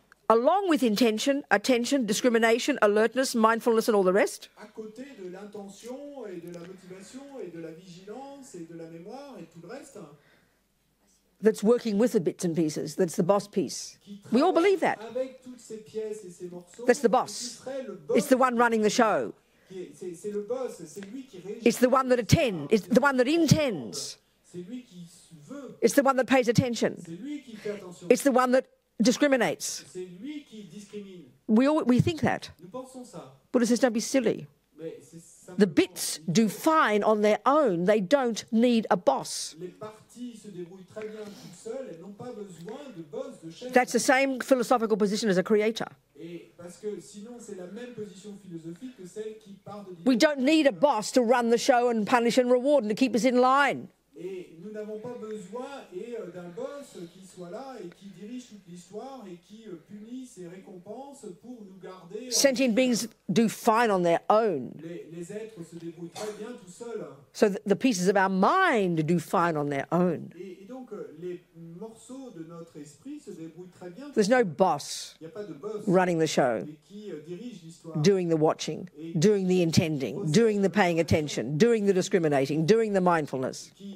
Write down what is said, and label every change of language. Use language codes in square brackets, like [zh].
[en] Along with intention, attention, discrimination, alertness, mindfulness, and all the rest. [fr] À côté de l'intention et de la motivation et de la vigilance et de la mémoire et tout le reste. [en] That's working with the bits and pieces. That's the boss piece. We all believe that. [fr] Avec toutes ces pièces et ces morceaux, [en] that's the boss. It's the one running the show. [fr] C'est le boss. C'est lui qui régit. [en] It's the one that attends. It's the one that intends. [fr] C'est lui qui veut. [en] It's the one that pays attention. [fr] C'est lui qui fait attention. [en] It's the one that discriminates. [fr] C'est lui qui discrimine. [en] We think that. [fr] Nous pensons ça. [en] Buddha says, don't be silly. The bits do fine on their own. They don't need a boss. [fr] Les parties se débrouillent très bien toutes seules. Elles n'ont pas besoin de boss, de chef. [en] That's the same philosophical position as a creator. [fr] Et parce que sinon c'est la même position philosophique que celle qui part de. [en] We don't need a boss to run the show and punish and reward and to keep us in line. [fr] Et nous n'avons pas besoin d'un boss qui soit là et qui dirige toute l'histoire et qui punisse et récompense pour nous garder. [en] Sentient beings do fine on their own. [fr] Les êtres se débrouillent très bien tout seuls. [en] So the pieces of our mind do fine on their own. [fr] Et donc les morceaux de notre esprit se débrouillent très bien. [en] There's no boss. [fr] Il y a pas de boss [en] running the show. [fr] Qui dirige l'histoire. [en] Doing the watching, doing the intending, doing the paying attention, doing the discriminating, doing the mindfulness.